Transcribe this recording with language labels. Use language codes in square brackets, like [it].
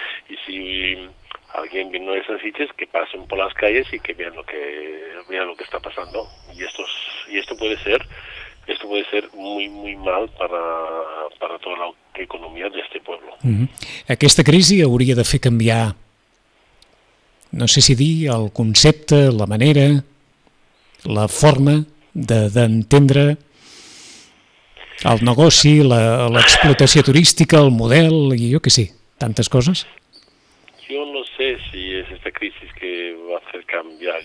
[es] Y si alguien vino de esas sitios, que pasen por las calles y que vean lo que está pasando, y esto puede ser muy muy mal para toda la economía de este pueblo. [ca] Aquesta crisi hauria de fer canviar, no sé si dir, el concepte, la manera, la forma d'entendre el negoci, l'explotació turística, el model, i jo què sé, tantes coses. [es] Yo no sé si es esta crisis que va a hacer cambiar.